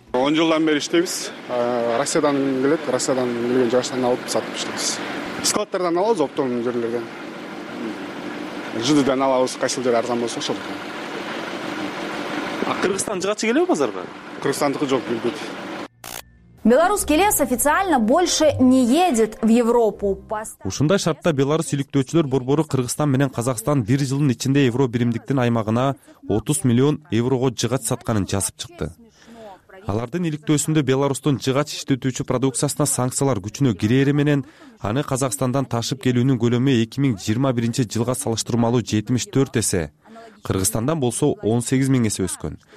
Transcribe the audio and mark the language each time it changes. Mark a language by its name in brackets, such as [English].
[Kyrgyz] 10 жылдан бери иштейбиз. Россиядан келет, Россиядан келген жыгачтан алып сатып иштейбиз. Складтардан алабыз, оптовый жерлерден. ЖД-ден алабыз, кайсыл жер арзан болсо ошол. А Кыргызстан жыгачы келеби базарга? Кыргызстандыкы жок, билбейт. [Russian] Беларусь Келес официально больше не едет в Европу. [Kyrgyz] Ушундай шартта Беларусь иликтөөчүлөр борбору Кыргызстан менен Казакстан бир жылдын ичинде Евро биримдиктин аймагына 30 миллион еврого жыгач сатканын жазып чыкты. Алардын иликтөөсүндө Беларусьтун жыгач иштетүүчү продукциясына санкциялар күчүнө кирери менен аны Казакстандан ташып келүүнүн көлөмү 2021 жылга салыштырмалуу 74 эсе, Кыргызстандан болсо 18 миң эсе өскөн.